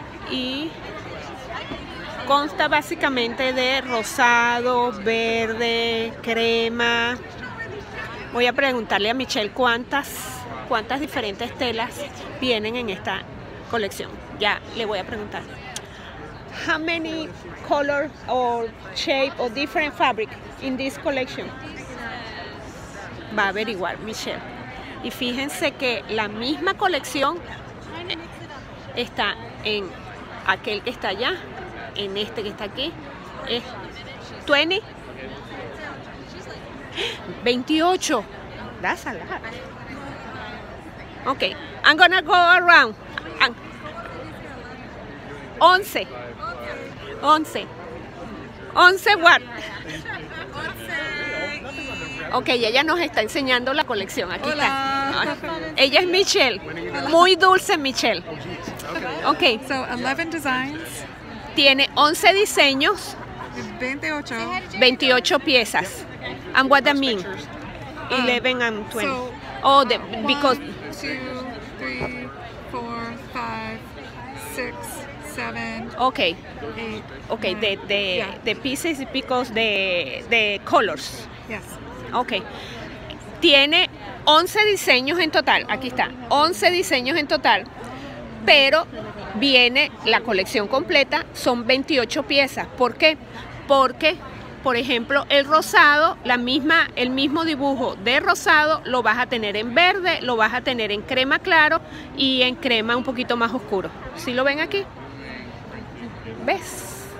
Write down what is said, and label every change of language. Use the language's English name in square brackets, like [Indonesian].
[Spanish] Y consta básicamente de rosado, verde, crema. Voy a preguntarle a Michelle cuántas diferentes telas vienen en esta colección. Ya le voy a preguntar. [English] How many color or shape or different fabric in this collection? [Spanish] Va a averiguar Michelle. Y fíjense que la misma colección está en aquel que está allá, en este que está aquí. Es 20. [English] 28. That's a lot. Okay, I'm gonna go around. 11. 11. 11 what? 11. [Spanish] Ok, ella nos está enseñando la colección. Aquí hola. Está. Oh, ella es Michelle. Hola. Muy dulce Michelle. Ok. [English] So, 11 designs. [Spanish] Tiene 11 diseños. 28. 28 piezas. [English] And what I mean? 11 and 20. So, oh, the, because... 1, 2, 3, 4, 5, 6, 7, ok. 8, ok, 9. The pieces because the colors. Yes. [Spanish] Ok, tiene 11 diseños en total, aquí está, 11 diseños en total, pero viene la colección completa, son 28 piezas. ¿Por qué? Porque, por ejemplo, el rosado, el mismo dibujo de rosado lo vas a tener en verde, lo vas a tener en crema claro y en crema un poquito más oscuro. ¿Sí lo ven aquí? ¿Ves?